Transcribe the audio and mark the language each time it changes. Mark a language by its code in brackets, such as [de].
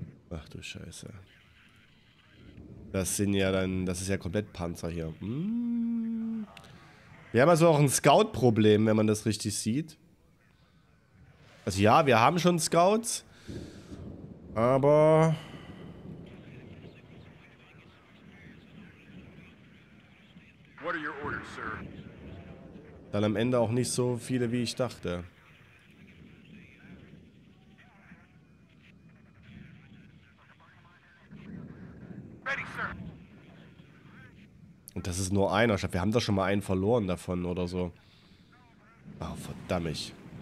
[de] Ach du Scheiße. Das sind ja dann... Das ist ja komplett Panzer hier. Wir haben also auch ein Scout-Problem, wenn man das richtig sieht. Also ja, wir haben schon Scouts. Aber [en] What are your orders, sir? [de] Dann am Ende auch nicht so viele, wie ich dachte. [en] Come on, come on. [de] Und das ist nur einer. Ich glaube, wir haben da schon mal einen verloren davon oder so. Oh, verdammt.